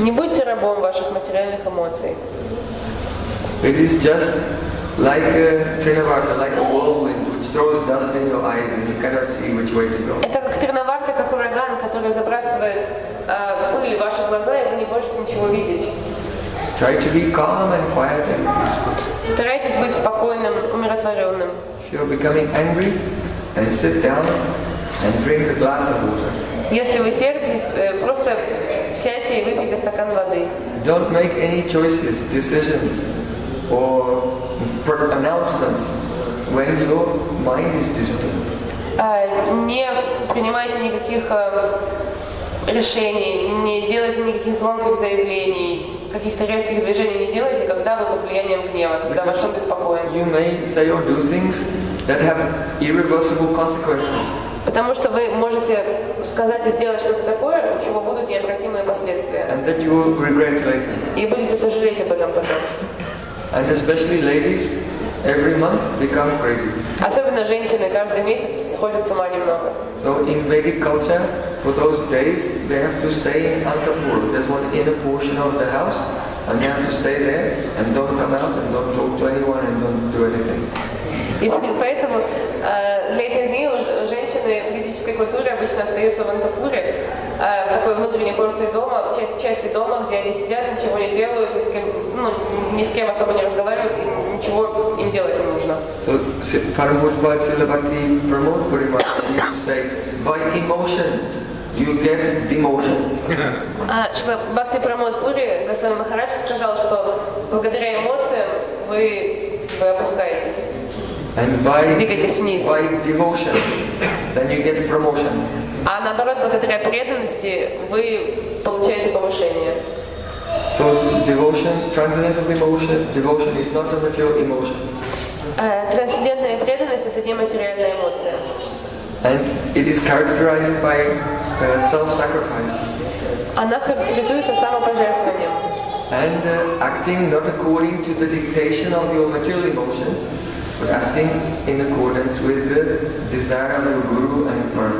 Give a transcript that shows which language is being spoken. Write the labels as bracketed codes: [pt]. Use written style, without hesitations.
[ru] Не будьте рабом ваших материальных эмоций. [en] It is just like a trinavarta, like a whirlwind, which throws dust in your eyes and you cannot see which way to go. [ru] Это как тринаварта, как ураган, который забрасывает пыль в ваши глаза, и вы не можете ничего видеть. [en] Try to be calm and quiet and peaceful. [ru] Старайтесь быть спокойным, умиротворенным. [en] If you're becoming angry, then sit down and drink a glass of water. [ru] Если вы сердитесь, просто сядьте и выпейте стакан воды. [en] Don't make any choices, decisions, or pronouncements when your mind is disturbed. [ru] Не принимайте никаких решений, не делайте никаких громких заявлений, каких-то резких движений не делайте, когда вы под влиянием гнева, когда вас что-то беспокоит. [en] You may say or do things that have irreversible consequences. [ru] Потому что вы можете сказать и сделать что-то такое, у чего будут необратимые последствия. [en] And that you will regret later. [ru] И будете сожалеть об этом потом. [en] And especially ladies, every month become crazy. [ru] Особенно женщины каждый месяц сходят с ума немного. [en] So in Vedic culture, for those days, they have to stay in Antapur. There's one inner portion of the house, and they have to stay there, and don't come out, and don't talk to anyone, and don't do anything. [ru] И поэтому летние дни женщины в ведической культуре обычно остаются в Антапуре, в такой внутренней порции дома, части дома, где они сидят, ничего не делают, ни с кем, ну, ни с кем особо не разговаривают, и ничего им делать не нужно. [en] So, Paramahamsa Srila Bhakti promote Puri Maharaj, he used to say, by emotion, you get demotion. [ru] Шрила Бхакти Прамод Пури, Госвами Махарадж сказал, что благодаря эмоциям вы опускаетесь. [en] And by devotion, then you get promotion. [ru] А наоборот, благодаря преданности вы получаете повышение. [en] So devotion, transcendental emotion, devotion is not a material emotion. [ru] Трансцендентная преданность — это нематериальная эмоция. [en] And it is characterized by self-sacrifice. [ru] Она характеризуется самопожертвованием. [en] And acting not according to the dictation of your material emotions. But acting in accordance with the desire of your guru and